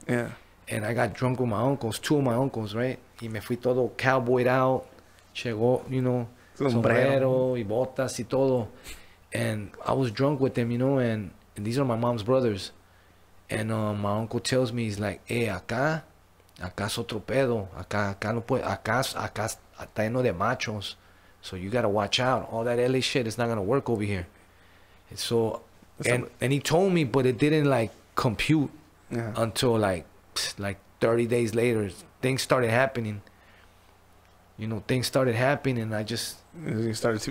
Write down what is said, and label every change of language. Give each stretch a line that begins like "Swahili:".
English: Yeah. And I got drunk with my uncles, two of my uncles, right?
Spanish: Y me fui todo
English: cowboyed out.
Spanish: Chego, you know, sombrero y botas y todo.
English: And I was drunk with them, you know, and these are my mom's brothers. And my uncle tells me, he's like, hey,
Spanish: acá es otro pedo. Acá no puede, acá está lleno de machos.
English: So you got to watch out. All that LA shit is not going to work over here. And so, and he told me, but it didn't like compute until like 30 days later. Things started happening. You know, things started happening. I just